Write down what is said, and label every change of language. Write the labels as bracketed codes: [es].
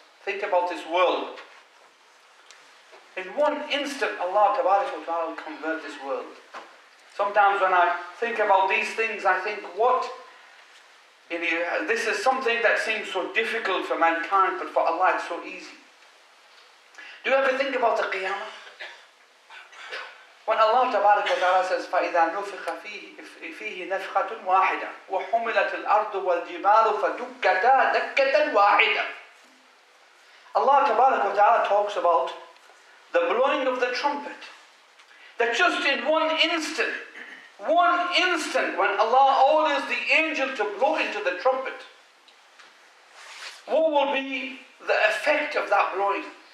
[en] Think about this world. In one instant, Allah Ta'ala will convert this world. Sometimes when I think about these things, I think, what? This is something that seems so difficult for mankind, but for Allah it's so easy. Do you ever think about the Qiyamah? When Allah Ta'ala says, [ar] فَإِذَا نُفِخَ فِيهِ نَفْخَةٌ وَاحِدًا وَحُمِلَتِ الْأَرْضُ وَالْجِبَالُ فَدُكَّتَا دَكَّةً وَاحِدًا. [en] Allah Ta'ala talks about the blowing of the trumpet. That just in one instant, when Allah orders the angel to blow into the trumpet, what will be the effect of that blowing?